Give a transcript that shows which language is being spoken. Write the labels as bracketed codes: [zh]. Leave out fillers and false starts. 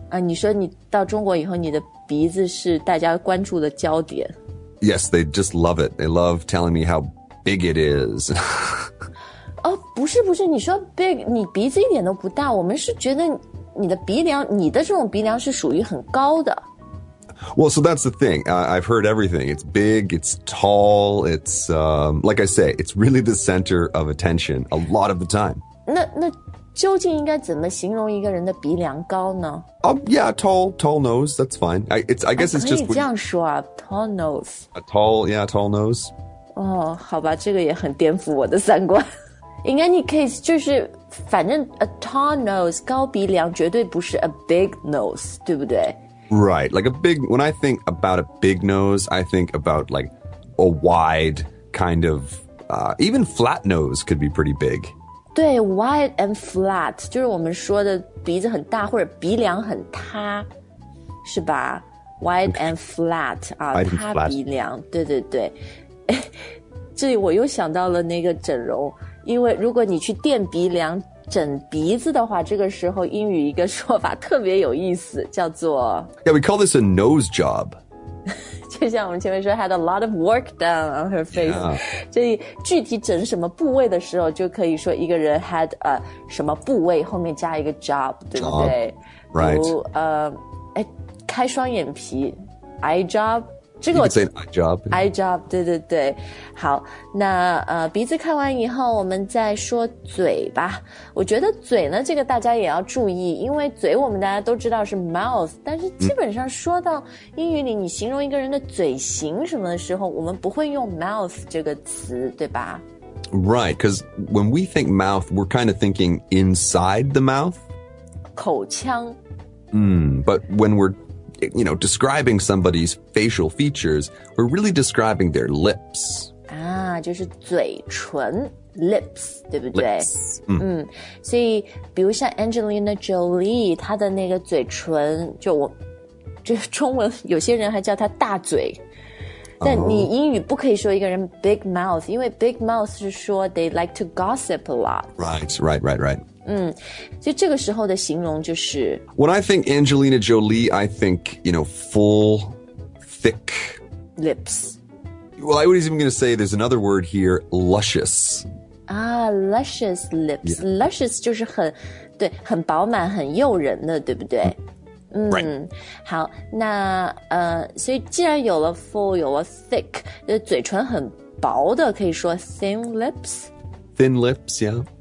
[zh] 你说你到中国以后你的鼻子是大家关注的焦点。 [en] Yes, they just love it. They love telling me how big it is. [zh] 不是不是，你说 big, 你鼻子一点都不大，我们是觉得你的鼻梁，你的这种鼻梁是属于很高的。 [en] Well, so that's the thing. I've heard everything. It's big, it's tall, it's, like I say, it's really the center of attention a lot of the time. [zh] 那究竟应该怎么形容一个人的鼻梁高呢? [en] Yeah, tall nose, that's fine. I guess it's just... [zh] 可以这样说啊, tall nose. [en] Tall nose. [zh] 好吧，这个也很颠覆我的三观。 [en] In any case, [zh] 就是反正 [en] a tall nose, [zh] 高鼻梁绝对不是 [en] a big nose, [zh] 对不对? [en] Right, like a big, when I think about a big nose, I think about like a wide kind of, even flat nose could be pretty big. [zh] 对, [en] wide and flat, [zh] 就是我们说的鼻子很大或者鼻梁很塌,是吧? [en] Wide and flat, [zh] 塌鼻梁,对对对。这里我又想到了那个整容。因为如果你去垫鼻梁整鼻子的话，这个时候英语一个说法特别有意思，叫做 [en] Yeah, we call this a nose job. [zh] 就像我们前面说 [en] had a lot of work done on her face. [zh] 所以具体整什么部位的时候就可以说一个人 had a 什么部位后面加一个 job, 对不对 [en] job, Right. [zh] 开双眼皮 eye job,这个、 [en] you can say an eye job. [zh] Eye job, 对对对。好，那鼻子看完以后我们再说嘴吧。我觉得嘴呢这个大家也要注意，因为嘴我们大家都知道是 mouth, 但是基本上说到英语里你形容一个人的嘴型什么的时候，我们不会用 mouth 这个词，对吧？ [en] Right, because when we think mouth, we're kind of thinking inside the mouth. [zh] 口腔。 [en] But when we'reYou know, describing somebody's facial features, we're really describing their lips. [zh] 就是嘴唇 lips, 对不对 [en] lips.、 [zh] 所以比如像 Angelina Jolie, 她的那个嘴唇就我就中文有些人还叫她大嘴。但你英语不可以说一个人 big mouth, 因为 big mouth 是说 [en] they like to gossip a lot. Right. [zh] 所以这个时候的形容就是 [en] When I think Angelina Jolie, I think, you know, full, thick lips. Well, I was even going to say there's another word here, luscious. Luscious lips.、Yeah. [zh] Luscious 就是很对很饱满很诱人的对不对、 [en] Right. [zh] 好那所以既然有了 full, 有了 thick, 嘴唇很薄的可以说 thin lips. [en] Thin lips, yeah.